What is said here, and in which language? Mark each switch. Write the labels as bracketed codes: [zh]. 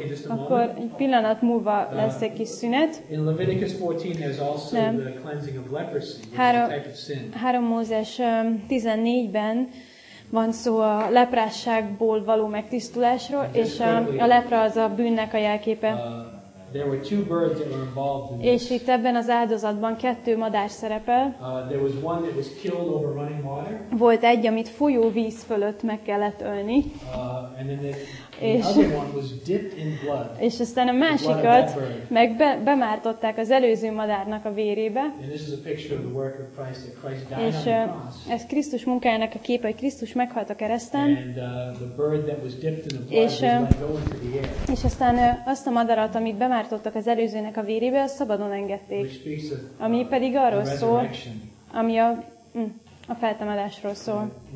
[hu] akkor egy pillanat múlva lesz egy kis szünet. [en] In Leviticus 14 there's also the cleansing of leprosy, a type of sin. 3 [hu] Mózes 14-ben van szó a leprásságból való megtisztulásról, és a lepra az a bűnnek a jelképe. [en] There were two birds that were involved in this. [hu] És itt ebben az áldozatban kettő madár szerepel. [en] There was one that was killed over running water. [hu] Volt egy, amit folyó víz fölött meg kellett ölni. [en] And then the other one was dipped in blood. [hu] És aztán a másikat meg bemártották az előző madárnak a vérébe. [en] And this is a picture of the work of Christ, that Christ died on the cross. [hu] És ez Krisztus munkájának a képe, hogy Krisztus meghalt a kereszten. And the bird that was dipped in the blood was let go into the air. És aztán azt a madarat, amit bemártottak az előzőnek a vérébe, azt szabadon engedték. Ami pedig arról szól, ami a feltámadásról szól.